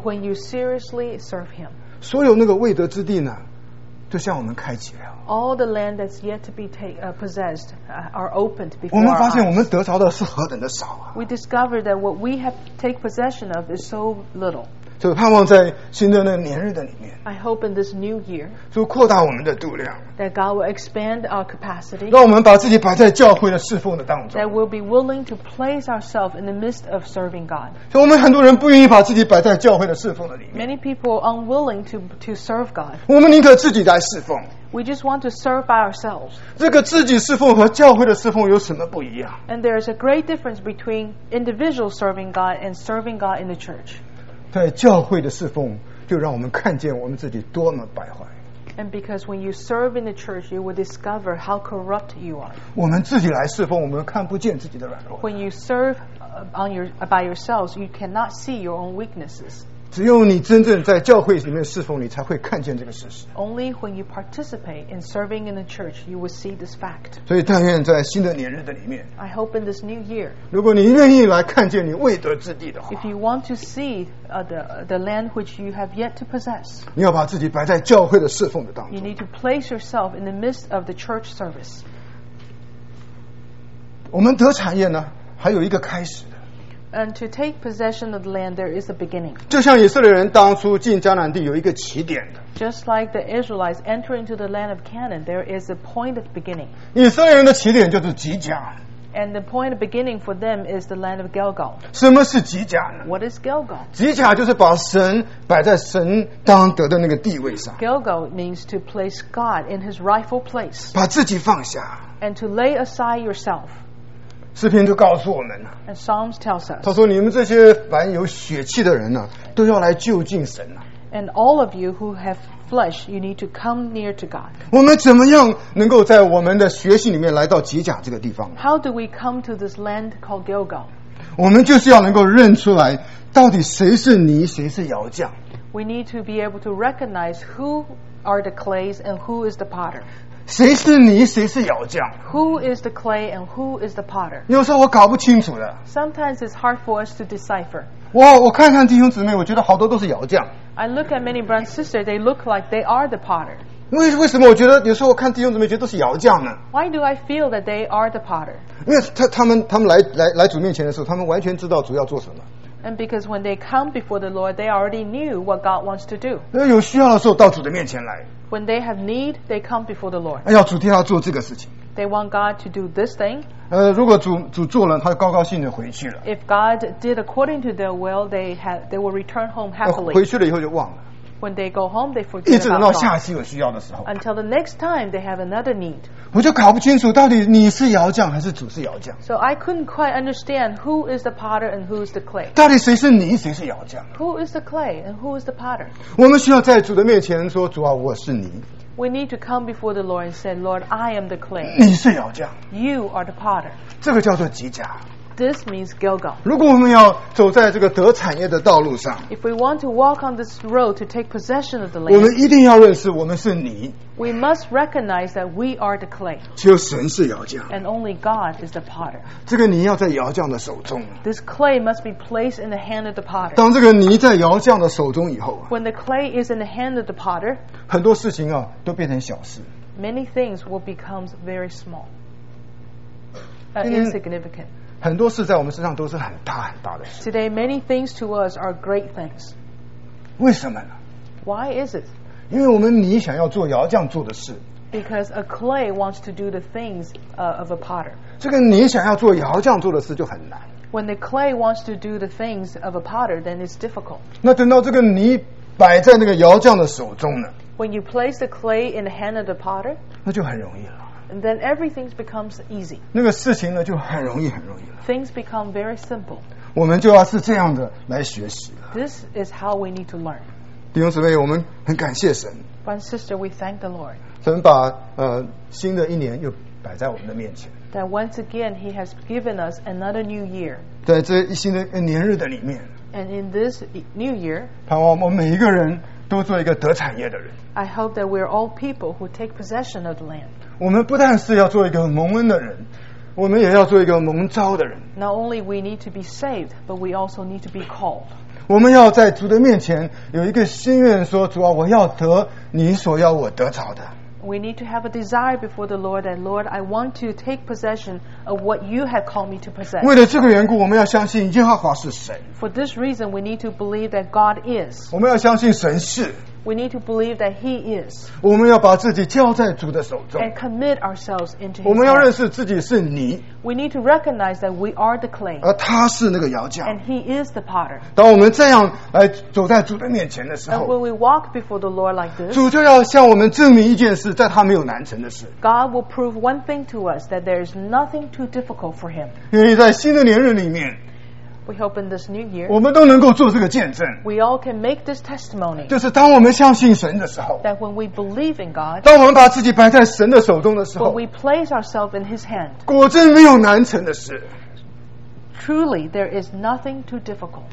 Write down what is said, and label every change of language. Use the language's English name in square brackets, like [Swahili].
[English] But when you seriously serve Him, [Chinese] 所有那个未得之地呢，就向我们开启了。 [English] All the land that's yet to be possessed are opened before us. [Chinese] 我们发现我们得着的是何等的少啊！ [English] We discover that what we have take possession of is so little. [Chinese] 就盼望在新的那年日的里面。 [English] I hope in this new year. [Chinese] 就扩大我们的度量。 [English] That God will expand our capacity. [Chinese] 让我们把自己摆在教会的侍奉的当中。 [English] That we'll be willing to place ourselves in the midst of serving God. [Chinese] 就我们很多人不愿意把自己摆在教会的侍奉的里面。 [English] Many people are unwilling to serve God. [Chinese] 我们宁可自己来侍奉。 [English] We just want to serve by ourselves. [Chinese] 这个自己侍奉和教会的侍奉有什么不一样？ [English] And there is a great difference between individual serving God and serving God in the church. [Chinese] 在教会的侍奉就让我们看见我们自己多么败坏。 [English] And because when you serve in the church, you will discover how corrupt you are. [Chinese] 我们自己来侍奉，我们看不见自己的软弱。 [English] When you serve by yourselves, you cannot see your own weaknesses. [Chinese] 只有你真正在教会里面侍奉，你才会看见这个事实。 [English] Only when you participate in serving in the church, you will see this fact. [Chinese] 所以，但愿在新的年日的里面 [English] ，I hope in this new year. [Chinese] 如果你愿意来看见你未得之地的话 [English] ，If you want to see the land which you have yet to possess, [Chinese] 你要把自己摆在教会的侍奉的当中。 [English] You need to place yourself in the midst of the church service. [Chinese] 我们得产业呢，还有一个开始。 [English] And to take possession of the land, there is a beginning. [Chinese] 就像以色列人当初进迦南地有一个起点的。 [English] Just like the Israelites enter into the land of Canaan, there is a point of beginning. [Chinese] 以色列人的起点就是基甲。 [English] And the point of beginning for them is the land of Gilgal. [Chinese] 什么是基甲呢？ [English] What is Gilgal? [Chinese] 基甲就是把神摆在神当得的那个地位上。 [English] Gilgal means to place God in His rightful place. [Chinese] 把自己放下。 [English] And to lay aside yourself. [Chinese] 诗篇就告诉我们了。 [English] And Psalms tells us. [Chinese] 他说：“你们这些凡有血气的人呢、啊，都要来就近神呐、啊。 [English] ”And all of you who have flesh, you need to come near to God. [Chinese] 我们怎么样能够在我们的学习里面来到基甲这个地方 [English] ？How do we come to this land called Gilgal? [Chinese] 我们就是要能够认出来，到底谁是泥，谁是窑匠。 [English] We need to be able to recognize who are the clays and who is the potter. [Chinese] 谁是泥，谁是窑匠 [English] ？Who is the clay and who is the potter？ [Chinese] 有时候我搞不清楚的。 [English] Sometimes it's hard for us to decipher. [Chinese] 我看看弟兄姊妹，我觉得好多都是窑匠。 [English] I look at many brothers and sisters. They look like they are the potter. [Chinese] 为什么我觉得有时候我看弟兄姊妹觉得都是窑匠呢 [English] ？Why do I feel that they are the potter？ [Chinese] 因为他们来主面前的时候，他们完全知道主要做什么。 [English] And because when they come before the Lord, they already knew what God wants to do. [Chinese] 有需要的时候到主的面前来。 [English] When they have need, they come before the Lord. [Chinese] 要主替他做这个事情。 [English] They want God to do this thing. [Chinese] 如果主做了，他就高高兴的回去了。 [English] If God did according to their will, they will return home happily. [Chinese] 回去了以后就忘了。 [English] When they go home, they forget about God. [Chinese] 一直等到下一次有需要的时候。 [English] Until the next time they have another need. [Chinese] 我就搞不清楚到底你是窑匠还是主是窑匠。 [English] So I couldn't quite understand who is the potter and who is the clay. [Chinese] 到底谁是你，谁是窑匠？ [English] Who is the clay and who is the potter? [Chinese] 我们需要在主的面前说，主啊，我是你。 [English] We need to come before the Lord and say, Lord, I am the clay. [Chinese] 你是窑匠。 [English] You are the potter. [Chinese] 这个叫做吉甲。 [English] This means Gilgal. [Chinese] 如果我们要走在这个得产业的道路上， [English] If we want to walk on this road to take possession of the land, [Chinese] 我们一定要认识我们是泥。 [English] We must recognize that we are the clay. [Chinese] 只有神是窑匠。 [English] And only God is the potter. [Chinese] 这个泥要在窑匠的手中。 [English] This clay must be placed in the hand of the potter. [Chinese] 当这个泥在窑匠的手中以后， [English] When the clay is in the hand of the potter, [Chinese] 很多事情啊都变成小事。 [English] Many things will become very small, insignificant. [Chinese] 很多事在我们身上都是很大很大的事。 [English] Today, many things to us are great things. [Chinese] 为什么呢？ [English] Why is it? [Chinese] 因为我们泥想要做窑匠做的事。 [English] Because a clay wants to do the things of a potter. [Chinese] 这个泥想要做窑匠做的事就很难。 [English] When the clay wants to do the things of a potter, then it's difficult. [Chinese] 那等到这个泥摆在那个窑匠的手中呢？ [English] When you place the clay in the hand of the potter, [Chinese] 那就很容易了。 [English] And then everything becomes easy. [Chinese] 那个事情呢就很容易很容易了。 [English] Things become very simple. [Chinese] 我们就要是这样的来学习了。 [English] This is how we need to learn. [Chinese] 弟兄姊妹，我们很感谢神。 [English] One sister, we thank the Lord. [Chinese] 神把新的一年又摆在我们的面前。 [English] That once again he has given us another new year. [Chinese] 在这一新的年日的里面。 [English] And in this new year, [Chinese] 盼望我们每一个人都做一个得产业的人。 [English] I hope that we are all people who take possession of the land. [Chinese] 我们不但是要做一个蒙恩的人，我们也要做一个蒙召的人。 [English] Not only we need to be saved, but we also need to be called. [Chinese] 我们要在主的面前有一个心愿，说主啊，我要得你所要我得着的。 [English] We need to have a desire before the Lord that Lord, I want to take possession of what you have called me to possess. [Chinese] 为了这个缘故，我们要相信耶和华是谁。 [English] For this reason, we need to believe that God is. [Chinese] 我们要相信神是。 [English] We need to believe that He is. [Chinese] 我们要把自己交在主的手中。 [English] And commit ourselves into His. [Chinese] 我们要认识自己是泥。 [English] We need to recognize that we are the clay. [Chinese] 而他是那个窑匠。 [English] And He is the potter. [Chinese] 当我们这样来走在主的面前的时候。 [English] And when we walk before the Lord like this. [Chinese] 主就要向我们证明一件事，在他没有难成的事。 [English] God will prove one thing to us that there is nothing too difficult for Him. [Chinese] 因为在新的年日里面。 [English] We hope in this new year, [Chinese] 我们都能够做这个见证。 [English] We all can make this testimony. [Chinese] 就是当我们相信神的时候。 [English] That when we believe in God. [Chinese] 当我们把自己摆在神的手中的时候。 [English] When we place ourselves in His hand. [Chinese] 果真没有难成的事。 [English] Truly, there is nothing too difficult.